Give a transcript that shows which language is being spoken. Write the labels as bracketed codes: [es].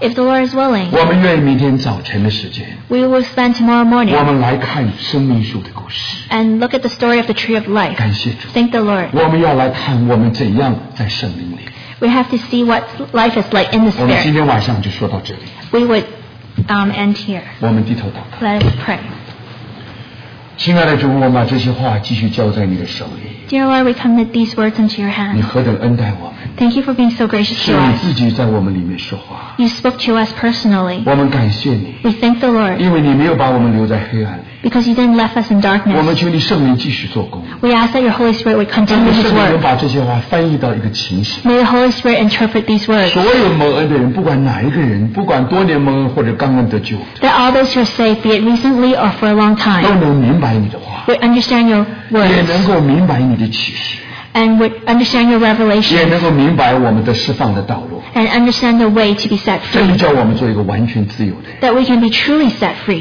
[en] if the Lord is willing, we will spend tomorrow morning and look at the story of the tree of life. Thank the Lord. We have to see what life is like in the Spirit. We would end here. Let us pray. [zh] 亲爱的主, 我把这些话继续交在你的手里。 [en] Dear Lord, we come with these words into your hand. [zh] 你何等恩待我们, [en] thank you for being so gracious to us. [zh] 是你自己在我们里面说话。 [en] You spoke to us personally. [zh] 我们感谢你, [en] we thank the Lord. [zh] 因为你没有把我们留在黑暗里。 [en] Because you didn't leave us in darkness. [zh] 我们求你圣灵继续做工。 [en] We ask that your Holy Spirit would continue his work. [zh] 把这些话翻译到一个情形。 [en] May the Holy Spirit interpret these words. [zh] 所有蒙恩的人, 不管哪一个人, 不管多年蒙恩, 或者刚刚得救, [en] that all those who are saved, be it recently or for a long time, [zh] 都能明白你的话, [en] we understand your words. [zh] 也能够明白你的话, [en] and would understand your revelation and understand the way to be set free, that we can be truly set free.